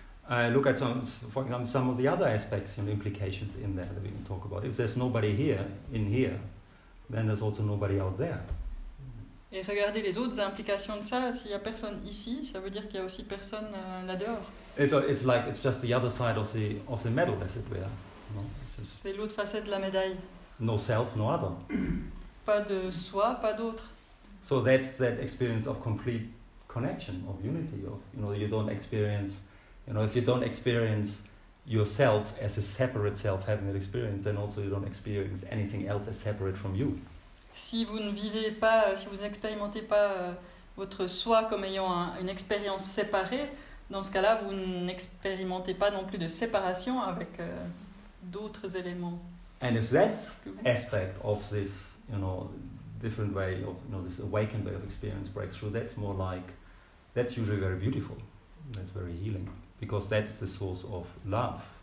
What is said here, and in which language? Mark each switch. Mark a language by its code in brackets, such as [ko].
[en] Look at some, for example, some of the other aspects and implications in there that we can talk about. If there's nobody here, in here, then there's also nobody out there. [fr] Et regardez les autres implications de ça. S'il y a personne ici, ça veut dire qu'il y a aussi personne là-dehors. [en] It's like it's just the other side of the medal, as it were. No? [fr] C'est l'autre facette de la médaille. [en] No self, no other. [fr] Pas de soi, pas d'autre. [en] So that's that experience of complete connection, of unity, of, you know, you don't experience. You know, if you don't experience yourself as a separate self having that experience, then also you don't experience anything else as separate from you. [fr] Si vous ne vivez pas, si vous n'expérimentez pas votre soi comme ayant une expérience séparée, dans ce cas-là, vous n'expérimentez pas non plus de séparation avec d'autres éléments. [en] And if that aspect of this, you know, different way of, you know, this awakened way of experience breaks through, that's more like, that's usually very beautiful, that's very healing. Because that's the source of love.